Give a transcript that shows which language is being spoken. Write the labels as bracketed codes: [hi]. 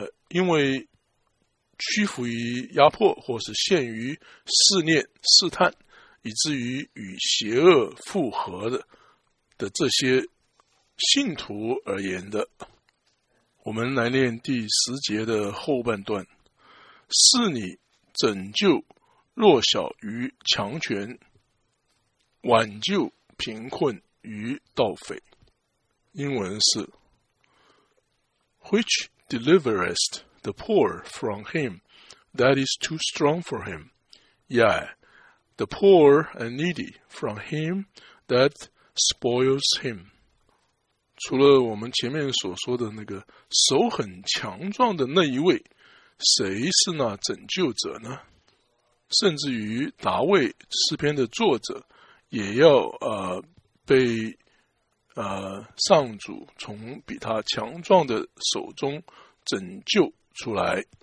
[zh] 因为屈服于压迫或是陷于试炼试探，以至于与邪恶复合的这些信徒而言的。我们来念第十节的后半段，是你拯救弱小于强权，挽救贫困于盗匪。英文是 [en] Which deliverest the poor from him that is too strong for him? Yeah, the poor and needy from him that spoils him. [zh] 除了我们前面所说的那个手很强壮的那一位，谁是那拯救者呢？甚至于达味诗篇的作者也要被上主从比他强壮的手中拯救出来。